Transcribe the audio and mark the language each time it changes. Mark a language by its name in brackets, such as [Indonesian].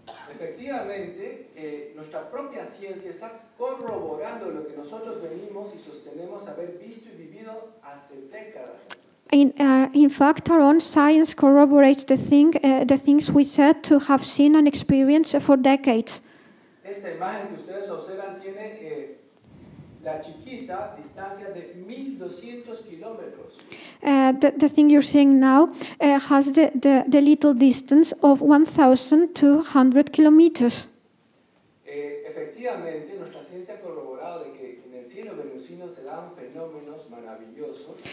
[Spanish] Efectivamente, nuestra propia ciencia está corroborando lo que nosotros venimos y sostenemos haber visto y vivido hace décadas. [English] In fact, our own science corroborates the things we said to have seen and experienced for decades. [Spanish] Esta imagen que ustedes observan tiene la chiquita distancia de 1,200 kilómetros. [English] The thing you're seeing now has the little distance of 1,200 kilometers. [Spanish] Efectivamente, nuestra ciencia ha corroborado de que en el cielo venusino se dan fenómenos maravillosos.